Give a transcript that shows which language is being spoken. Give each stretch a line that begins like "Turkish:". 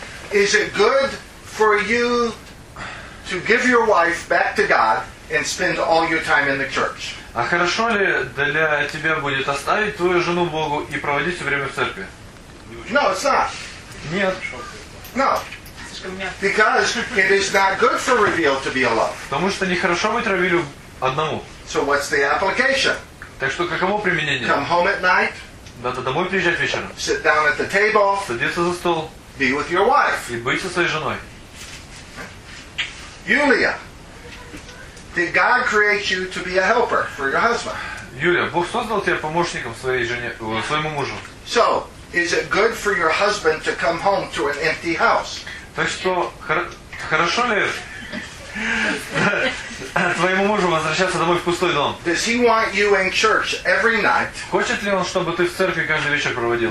English: Is it good for you to give your wife back to God and spend all your time in the church?
Russian: А хорошо ли для тебя будет оставить твою жену Богу и проводить все время в церкви?
English: No, it's not.
Russian: Нет.
English: No. Because it is not good for Reveal to be alone.
Russian: Потому что нехорошо быть Равилю одному.
English: So what's the application?
Russian: Так что каково применение?
English: Come home at night.
Russian: Надо домой приезжать вечером.
English: Sit down at the table.
Russian: Садиться за стол.
English: Be with your wife.
Russian: И быть со своей женой. Юлия.
English: Did God create you to be a helper for your husband?
Russian: Юлия, Бог создал тебя помощником своей жене, своему мужу.
English: So, is it good for your husband to come home to an empty house?
Russian: Так что, хорошо ли твоему мужу возвращаться домой в пустой дом?
English: Does he want you in church every night?
Russian: Хочет ли он, чтобы ты в церкви каждый вечер проводил?